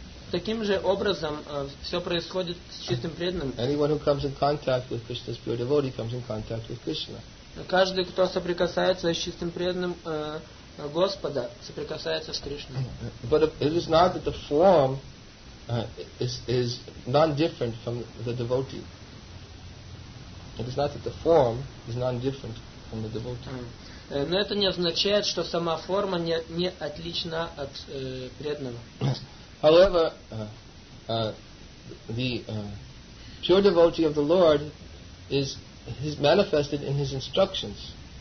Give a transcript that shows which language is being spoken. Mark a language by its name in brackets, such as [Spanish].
[Russian] Таким же образом все происходит с чистым преданным. [English] Anyone who comes in contact with Krishna's pure devotee comes in contact with Krishna. [Russian] Каждый, кто соприкасается с чистым преданным Господа, соприкасается с Кришной. [English] But it is not that the form is non-different from the devotee. It is not that the form is non-different from the devotee. [Russian] Но это не означает, что сама форма не отлична от преданного. [English] However, the pure devotee of the Lord is He's manifested in his instructions.